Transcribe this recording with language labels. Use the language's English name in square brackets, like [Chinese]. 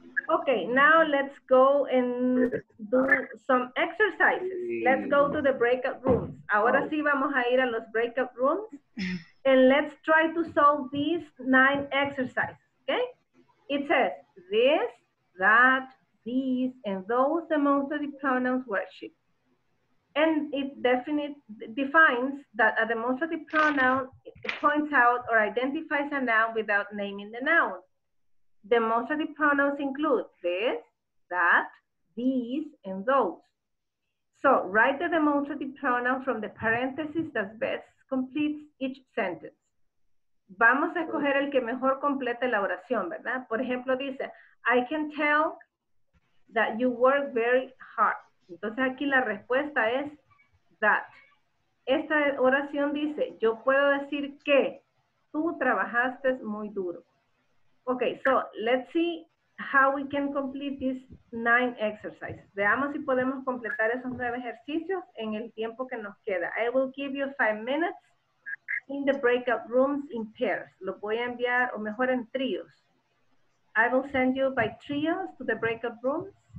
[English] Okay, now let's go and do some exercises. Let's go to the breakout rooms. [Spanish] Ahora sí vamos a ir a los breakout rooms. [English] And let's try to solve these 9 exercises. Okay? It says this, that, these, and those among the pronouns worship. And it defines that a demonstrative pronoun points out or identifies a noun without naming the noun. Demonstrative pronouns include this, that, these, and those. So write the demonstrative pronoun from the parentheses that best completes each sentence. [Spanish] Vamos a escoger el que mejor complete la oración, ¿verdad? Por ejemplo, dice, [English] I can tell that you work very hard. [Spanish] Entonces aquí la respuesta es that. Esta oración dice, yo puedo decir que tú trabajaste muy duro. [English] Okay, so let's see how we can complete these 9 exercises. [Spanish] Veamos si podemos completar esos 9 ejercicios en el tiempo que nos queda. [English] I will give you 5 minutes in the breakout rooms in pairs. [Spanish] Lo voy a enviar, o mejor en tríos. [English] I will send you by trios to the breakout rooms.